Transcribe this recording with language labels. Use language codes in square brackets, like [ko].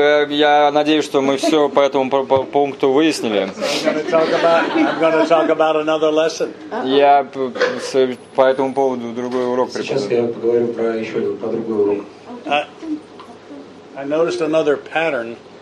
[ru] Я надеюсь, что мы все по этому пункту выяснили. [en] I'm going to talk about another lesson. [ru] Я по этому поводу другой урок припомню. Сейчас я поговорю про еще один, про другой урок. [en] I noticed another pattern.